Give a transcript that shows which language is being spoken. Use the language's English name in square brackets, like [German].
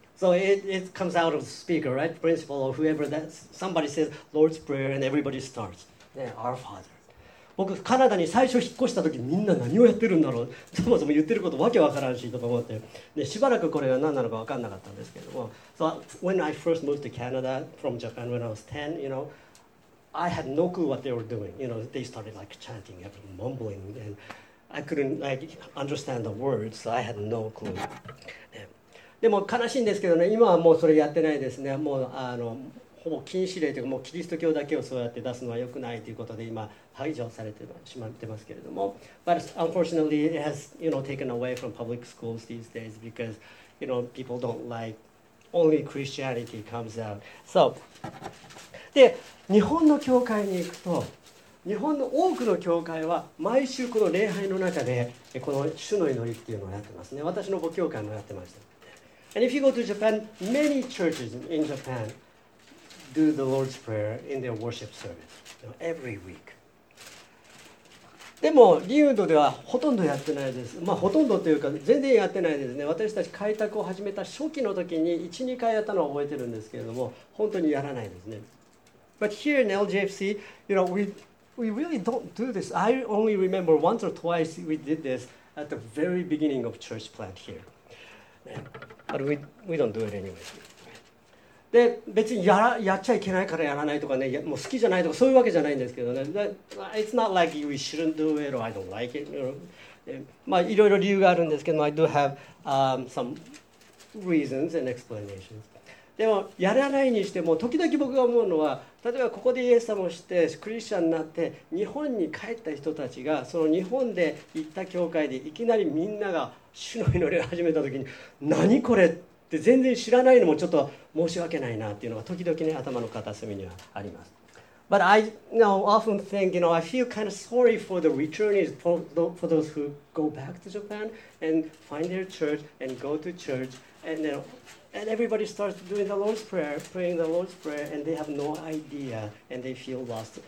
[English] So it comes out of the speaker, right? Principal or whoever that somebody says Lord's Prayer and everybody starts. Yeah, Our Father. [Japanese] 僕、カナダに最初引っ越したときみんな何をやってるんだろう。そもそも言ってることわけわからんしとか思って、ね、しばらくこれが何なのかわかんなかったんですけども、 [English] So when I first moved to Canada from Japan when I was 10, you know, I had no clue what they were doing. You know, they started like chanting, mumbling, and I couldn't like understand the words, so I had no clue.、 [Japanese] ね、でも悲しいんですけどね、今はもうそれやってないですね。もうほぼ禁止令というか、もうキリスト教だけをそうやって出すのは良くないということで今排除されてしまってますけれども。 [English] But unfortunately, it has, you know, taken away from public schools these days because, you know, people don't like... Only Christianity comes out. [Japanese] So, で日本の教会に行くと、日本の多くの教会は毎週この礼拝の中でこの主の祈りっていうのをやってますね。私の母教会もやってました。 [English] And if you go to Japan, many churches in Japan do the Lord's Prayer in their worship service every week. [Japanese] でもリウンドではほとんどやってないです。まあほとんどというか全然やってないですね。私たち開拓を始めた初期の時に 1,2 回やったのを覚えてるんですけれども、本当にやらないですね。 [English] But here in LJFC, you know, we really don't do this. I only remember once or twice we did this at the very beginning of church plant here. But we don't do it anyway. [Japanese] で別にやっちゃいけないからやらないとかね、もう好きじゃないとかそういうわけじゃないんですけどね。 [English] It's not like we shouldn't do it or I don't like it. You know? [Japanese] まあいろいろ理由があるんですけども、 [English] I do have some reasons and explanations. [Japanese] でもやらないにしても、時々僕が思うのは、例えばここでイエス様をしてクリスチャンになって日本に帰った人たちが、その日本で行った教会でいきなりみんなが主の祈りを始めた時に、何これって全然知らないのもちょっと申し訳ないなっていうのが時々ね、頭の片隅にはあります。 [English] But I often think, you know, I feel kind of sorry for the returnees, for those who go back to Japan and find their church and go to church and then and everybody starts doing the Lord's Prayer, praying the Lord's Prayer, and they have no idea, and they feel lost.